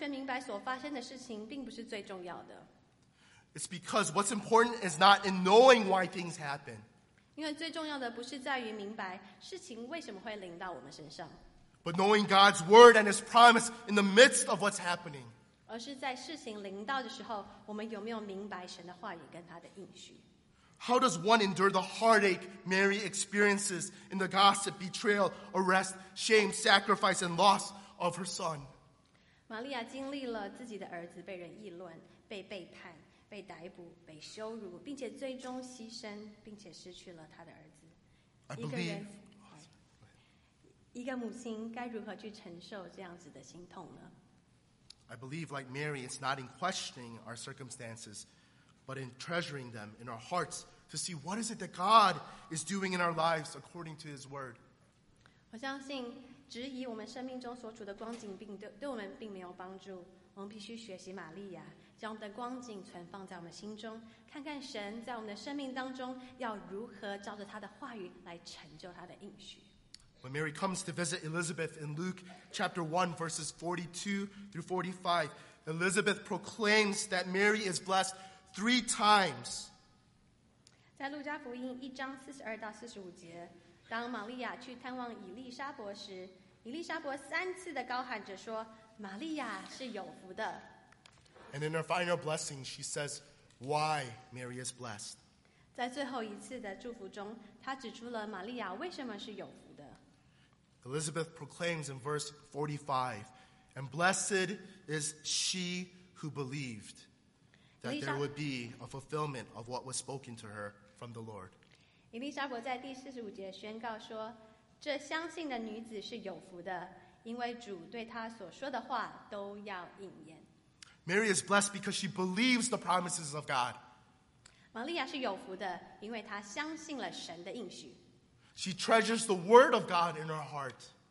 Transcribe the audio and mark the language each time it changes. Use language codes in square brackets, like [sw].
[zh] 对于玛利亚来说，完全明白所发生的事情并不是最重要的。 [en] It's because what's important is not in knowing why things happen. [zh] 因为最重要的不是在于明白事情为什么会临到我们身上。 [en] But knowing God's word and his promise in the midst of what's happening. [zh] 而是在事情临到的时候，我们有没有明白神的话语跟他的应许？ [en] How does one endure the heartache Mary experiences in the gossip, betrayal, arrest, shame, sacrifice, and loss of her son? [zh] 玛利亚经历了自己的儿子被人议论、被背叛、被逮捕、被羞辱，并且最终牺牲，并且失去了他的儿子。一个母亲该如何去承受这样子的心痛呢？ [en] I believe, like Mary, it's not in questioning our circumstances, but in treasuring them in our hearts to see what is it that God is doing in our lives according to his word. [zh] 我相信质疑我们生命中所处的光景并 对我们并没有帮助，我们必须学习玛利亚，将我们的光景存放在我们心中，看看神在我们的生命当中要如何照着他的话语来成就他的应许。 [en] When Mary comes to visit Elizabeth in Luke chapter 1, verses 42 through 45, Elizabeth proclaims that Mary is blessed three times. [zh] 在路加福音一章四十二到四十五节，当玛利亚去探望以利沙伯时，以利沙伯三次的高喊着说，玛利亚是有福的。 [en] And in her final blessing, she says why Mary is blessed. [zh] 在最后一次的祝福中，她指出了玛利亚为什么是有福。 [en] Elizabeth proclaims in verse 45, and blessed is she who believed that there would be a fulfillment of what was spoken to her from the Lord. [zh] 以利沙伯在第四十五节宣告说，这相信的女子是有福的，因为主对她所说的话都要应验。 [en] Mary is blessed because she believes the promises of God. [zh] 玛利亚是有福的，因为她相信了神的应许。 [en] She treasures the word of God in her heart.